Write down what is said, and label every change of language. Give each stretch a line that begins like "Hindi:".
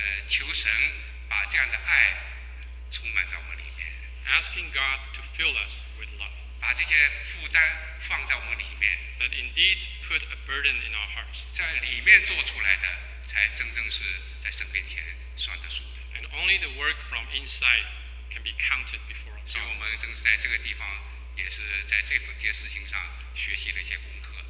Chinese: 求神把这样的爱充满在我们里面。
English: Asking God to fill us.
Chinese: 把这些负担放在我们里面
English: ，But indeed put a burden in our hearts，
Chinese: 在里面做出来的才真正是在神面前算得数的。
English: And only the work from inside can be counted before us。
Chinese: 所以我们正是在这个地方，也是在这份事情上学习了一些功课。